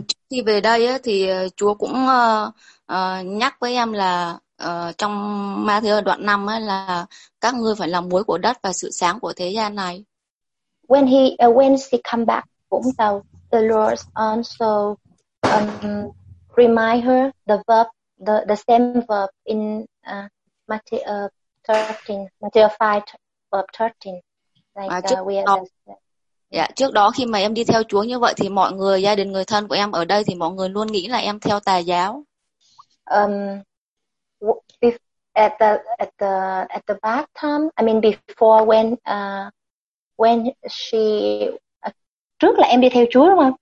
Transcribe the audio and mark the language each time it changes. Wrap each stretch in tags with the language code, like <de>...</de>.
<vi>Khi về đây á, thì Chúa cũng nhắc với em là trong Matthew đoạn 5 á, là các ngươi phải là muối của đất và sự sáng của thế gian này.</vi> <en>When he when she come back</en> <vi>cũng sao,</vi> <en>the Lord also remind her the verb, the same verb in Matthew 5:13.</en> <vi>Trước đó khi mà em đi theo Chúa như vậy thì mọi người, gia đình, người thân của em ở đây thì mọi người luôn nghĩ là em theo tà giáo.</vi> <en>At the bad time, I mean before when she</en> <vi>trước là em đi theo Chúa đúng không?</vi>